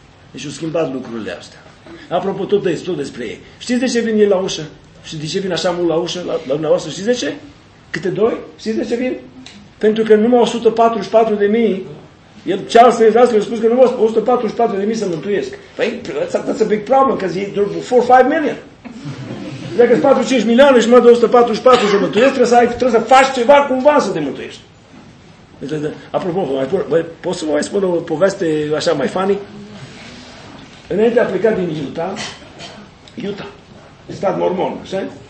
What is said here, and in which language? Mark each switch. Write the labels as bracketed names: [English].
[Romanian] Deci a schimbat lucrurile astea. Apropo, tot despre ei. Știți de ce vin ei la ușă? Și de ce vin așa mult la ușă la dumneavoastră? Știți de ce? Câte doi? Știți de ce vin? Pentru că numai 144.000. El, Charles Taze Russell, a spus că numai 144.000 să mântuiesc. [English] Păi, that's a big problem, because he's 4-5 million. [Romanian] Dacă sunt 4-5 milioane și mai de 144 să mântuiesc, trebuie să faci ceva cumva să te mântuiești. Apropo, pot să vă mai spun o poveste așa mai funny? Înainte a plecat din Utah, stat mormon, așa?